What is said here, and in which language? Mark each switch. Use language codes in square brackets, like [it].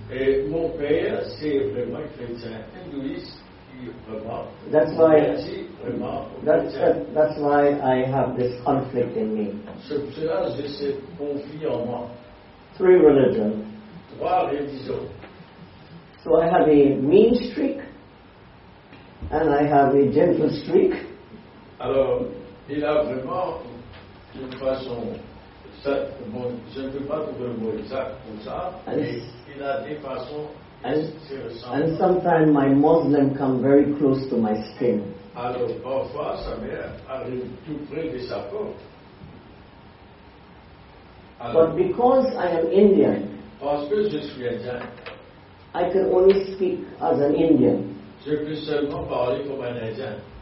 [fr] Et mon père, c'est vraiment chrétien hindouiste qui remarque. [en] That's why I have this conflict in me. [fr] Cela, j'ai ce conflit en moi. [en] Three religions. [fr] Trois religions. [en] So I have a mean streak, and I have a gentle streak. [fr] Alors, il a vraiment une façon. Bon, je ne peux pas trouver le mot exact pour ça, il a des façons intéressantes. [en] And sometimes my Muslim come very close to my skin. [fr] Alors, parfois, sa mère arrive tout près de sa peau. [en] But because I am Indian, [fr] parce que je suis Indien, [en] I can only speak as an Indian. [fr] Je peux seulement parler comme un Indien.